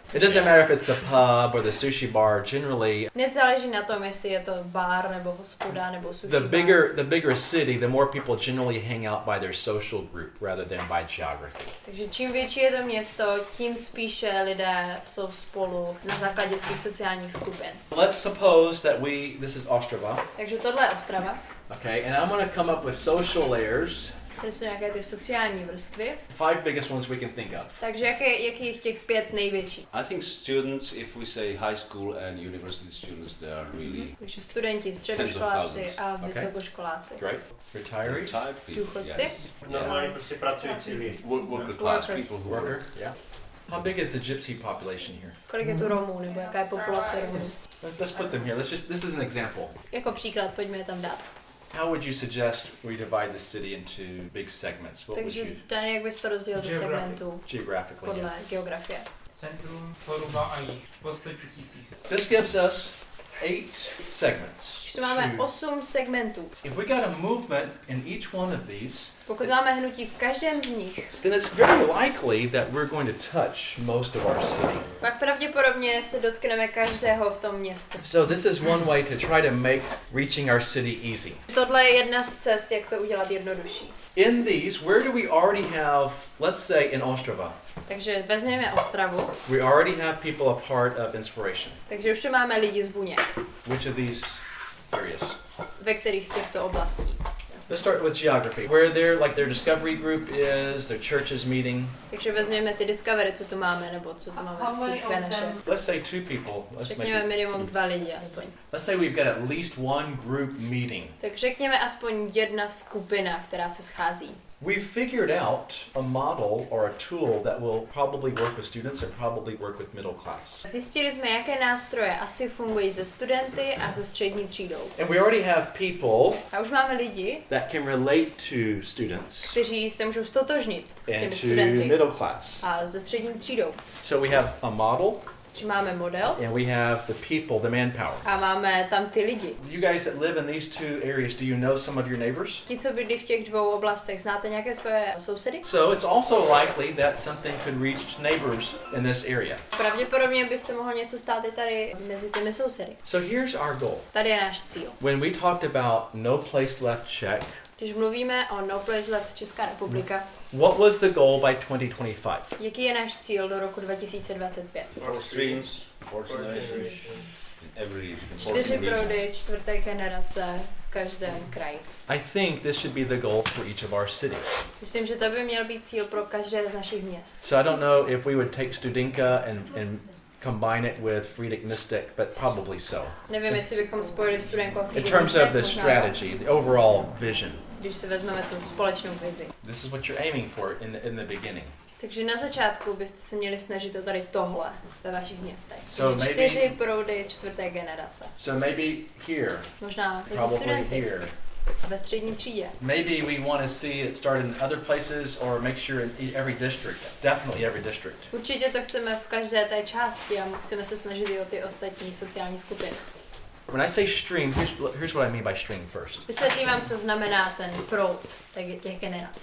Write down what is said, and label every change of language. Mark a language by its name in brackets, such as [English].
[English] It doesn't matter if it's the pub or the sushi bar, generally. [Czech] Nezáleží na tom, jestli je to bar nebo hospoda nebo sushi bar. [English] The bigger city, the more people generally hang out by their social group rather than by geography. [Czech] Takže čím větší je to město, tím spíše lidé jsou spolu na základě svých sociálních skupin. [English] Let's suppose that this is Ostrava. [Czech] Takže tohle je Ostrava. [English] Okay, and I'm going to come up with social layers. [Czech] To jsou nějaké ty sociální vrstvy. [English] Five biggest ones we can think of. [Czech] Takže jaký je těch pět největší? [English] I think students, if we say high school and university students, they are really [Czech] takže studenti, středoškoláci a vysokoškoláci. [English] Okay. Great. Retirees? [Czech] Důchodci? [English] Yes. [Czech] Normálně prostě pracující lidi. [English] Worker class people who work. Yeah. How big is the gypsy population here? [Czech] Kolik je tu Romů, nebo jaká je populace Romů? [English] Let's put them here. This is an example. [Czech] Jako příklad, pojďme je tam dát. [English] How would you suggest we divide the city into big segments? What [Czech] takže [English] would you? [Czech] Takže Dani, jak bys to rozdělil do segmentů? [English] Geographically. [Czech] Podle [English] yeah. [Czech] geografie. Centrum, Poruba a jich, po 100 tisících. [English] This gives us 8 segments. [Czech] Takže máme 8 segmentů. [English] If we got a movement in each one of these, [Czech] pokud máme hnutí v každém z nich, [English] then it's very likely that we're going to touch most of our city. [Czech] Pak pravděpodobně se dotkneme každého v tom městě. [English] So this is one way to try to make reaching our city easy. [Czech] Tohle je jedna z cest, jak to udělat jednodušší. [English] In these, where do we already have, let's say, in Ostrava? [Czech] Takže vezmeme Ostravu. [English] We already have people a part of inspiration. [Czech] Takže už tu máme lidi z Buně. [English] Which of these areas? [Czech] Ve kterých z těchto oblastí? [English] Let's start with geography. Where their discovery group is, their church is meeting. [Czech] Takže vezmeme ty discovery, co tu máme, nebo co tu máme církve naše. [English] Let's say two people. [Czech] Řekněme minimum dva lidi aspoň. [English] Let's say we've got at least one group meeting. [Czech] Tak řekněme aspoň jedna skupina, která se schází. [English] We've figured out a model or a tool that will probably work with students and probably work with middle class. [Czech] Zjistili jsme, jaké nástroje asi fungují se studenty a se střední třídou. [English] And we already have people [Czech] a už máme lidi [English] that can relate to students. [Czech] Kteří se můžou stotožnit [English] and [Czech] s těmi studenty [English] to middle class. [Czech] A se střední třídou. [English] So we have a model. [Czech] Či máme model. [English] And we have the people, the manpower. [Czech] A máme tam ty lidi. [English] You guys that live in these two areas, do you know some of your neighbors? [Czech] Ti, co bydlí v těch dvou oblastech, znáte nějaké svoje sousedy? [English] So it's also likely that something could reach neighbors in this area. [Czech] Pravděpodobně by se mohlo něco stát i tady mezi těmi sousedy. [English] So here's our goal. [Czech] Tady je náš cíl. [English] When we talked about No Place Left Czech. [Czech] Když mluvíme o No Place Left Česká republika. [English] What was the goal by 2025? [Czech] Jaký je náš cíl do roku 2025? [English] Four streams, four generations, in every region. [Czech] 4 proudy, čtvrté generace, v každém kraji. [English] I think this should be the goal for each of our cities. [Czech] Myslím, že to by měl být cíl pro každé z našich měst. [English] So I don't know if we would take Studinka and combine it with Friedrich Mystic, but probably so. [Czech] Nevím, jestli bychom spojili Studinko a Friedrich [English] in terms of the strategy, the overall vision. [Czech] Když si vezmeme tu společnou vizi. [English] This is what you're aiming for in the beginning. [Czech] Takže na začátku byste se měli snažit o tady tohle ve vašich městech. [English] So maybe, [Czech] 4 proudy čtvrté generace. [English] So maybe here. [Czech] Možná [English] probably here. [Czech] A ve střední třídě. [English] Maybe we want to see it start in other places or make sure in every district. Definitely every district. [Czech] Určitě to chceme v každé té části a chceme se snažit i o ty ostatní sociální skupiny. [English] When I say stream, here's what I mean by stream first. [Czech] Vysvětlím vám, co znamená ten proud těch generací.